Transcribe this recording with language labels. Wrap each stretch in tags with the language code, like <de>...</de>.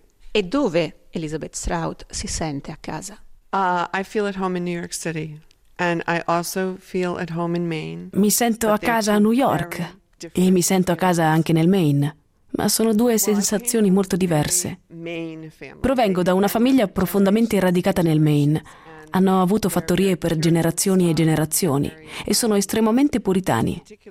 <it>E dove Elizabeth Strout si sente a casa?</it> <en>I feel at home in New York City and I also feel at home in Maine.</en> <it>Mi sento a casa a New York e mi sento a casa anche nel Maine. Ma sono due sensazioni molto diverse. Provengo da una famiglia profondamente radicata nel Maine. Hanno avuto fattorie per generazioni e generazioni e sono estremamente puritani.</it>